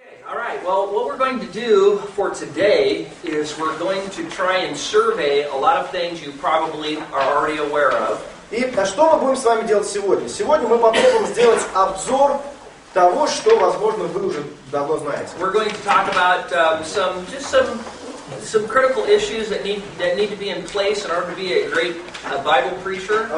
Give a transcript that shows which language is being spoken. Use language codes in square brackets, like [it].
[en] All right, well, what we're going to do for today is we're going to try and survey a lot of things you probably are already aware of. [ru] И что мы будем с вами делать сегодня? Сегодня мы попробуем сделать обзор того, что, возможно, вы уже давно знаете. [en] We're going to talk about some critical issues that need to be in place in order to be a great Bible preacher.